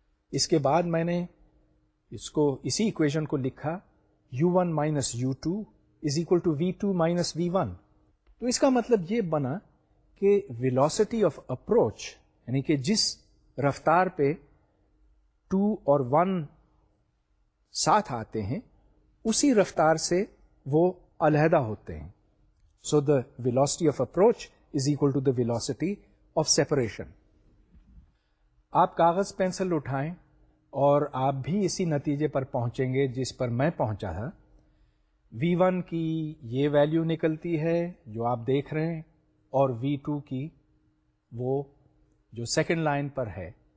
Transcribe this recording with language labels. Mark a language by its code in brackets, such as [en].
[ur] اس کے بعد میں نے اس کو اسی equation کو لکھا [en] u1 minus u2 is equal to v2 minus v1. [ur] تو اس کا مطلب یہ بنا کہ [en] velocity of approach, [ur] یعنی کہ جس رفتار پہ 2 اور 1 ساتھ آتے ہیں اسی رفتار سے وہ علیحدہ ہوتے ہیں. [en] So the velocity of approach is equal to the velocity of separation. [ur] آپ کاغذ پینسل اٹھائیں اور آپ بھی اسی نتیجے پر پہنچیں گے جس پر میں پہنچا تھا. V1 کی یہ ویلیو نکلتی ہے جو آپ دیکھ رہے ہیں, اور V2 کی وہ جو سیکنڈ لائن پر ہے.